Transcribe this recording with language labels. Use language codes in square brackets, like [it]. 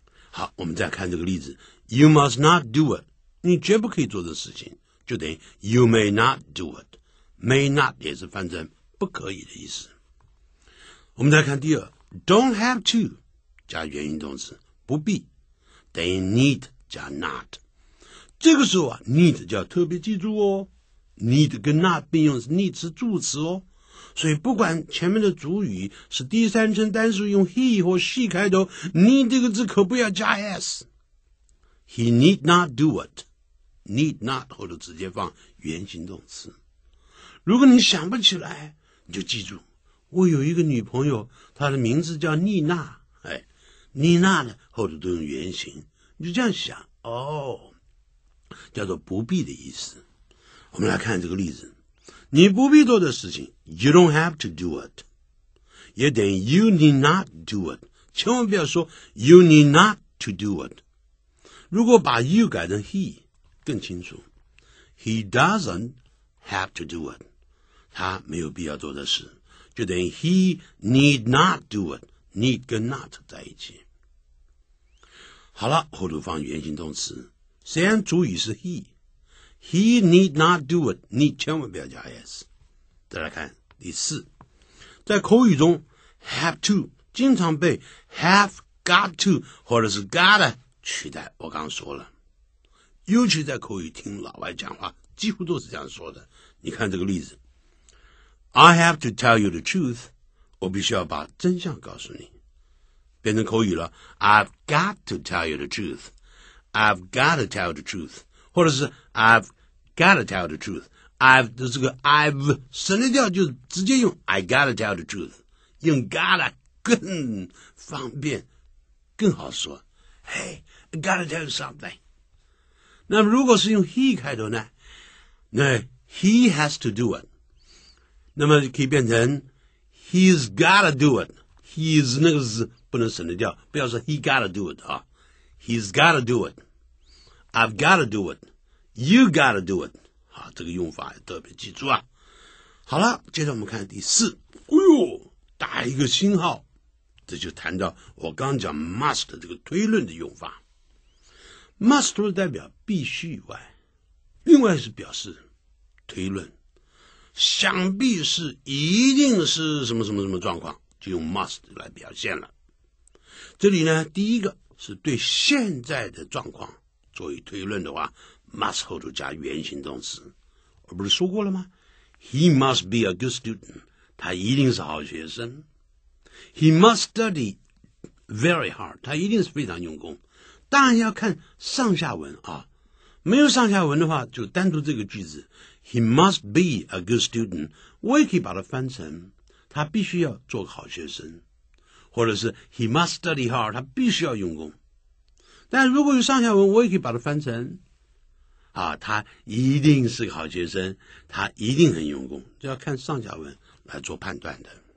[zh] 好，我们再看这个例子， [en] you must not do it， [zh] 你绝不可以做的事情，就等于 [en] you may not do it， [zh] may not 也是翻成不可以的意思。我们再看第二， don't have to 加原因动词，不必，等于 need 加 not。这个时候啊 ，need 就要特别记住哦 ，need 跟 not 并用是 need 是助词哦，所以不管前面的主语是第三称单数用 he 或 she 开头 ，need 这个字可不要加 s。 [en] He need not do it。 [zh] Need not 或者直接放原形动词。如果你想不起来，你就记住，我有一个女朋友，她的名字叫妮娜。哎，妮娜呢，后头都用原形，你就这样想哦。叫做不必的意思。我们来看这个例子，你不必做的事情 [en] You don't have to do it [zh] 也等于 [en] You need not do it， [zh] 千万不要说 [en] You need not to do it。 [zh] 如果把 you 改成 he 更清楚， [en] He doesn't have to do it， [zh] 他没有必要做的事，就等于 [en] He need not do it， [zh] need 跟 not 在一起。好了，后头放原形动词，虽然主语是 [en] he need not do it， [zh] need 千万不要加 s。再来看第四，在口语中 have to 经常被 have got to 或者是 gotta 取代，我刚说了，尤其在口语听老外讲话几乎都是这样说的。 [en] 你看这个例子， I have to tell you the truth， [zh] 我必须要把真相告诉你，变成口语了， [en] I've got to tell you the truthI've got to tell the truth， 或者是 I've got to tell the truth， I've 的这个 I've [zh] 省略掉，就直接用 [en] I got to tell the truth， 用 gotta [zh] 更方便更好说。 [en] Hey， I got to tell you something。 [zh] 那如果是用 he 开头呢， [en] 那 he has to do it， 那么可以变成 he's got to do it， he's [zh] 那个字不能省略掉， [en] 不要说 he got to do it 啊，He's got to do it. I've got to do it. You got to do it. [zh] 好，这个用法也特别记住啊。好了，接着我们看第四。哎呦，打一个星号，这就谈到我刚讲 must 这个推论的用法。 must 除了代表必须以外，另外是表示推论，想必是一定是什么什么什么状况，就用 must 来表现了。这里呢，第一个是对现在的状况作为推论的话， must 后头加原形动词。我不是说过了吗？ [en] He must be a good student， [zh] 他一定是好学生。 [en] He must study very hard， [zh] 他一定是非常用功。当然要看上下文啊，没有上下文的话，就单独这个句子， [en] He must be a good student， [zh] 我也可以把它翻成他必须要做个好学生，或者是 [en] he must study hard， [zh] 他必须要用功。但如果有上下文，我也可以把它翻成啊，他一定是个好学生，他一定很用功，就要看上下文来做判断的。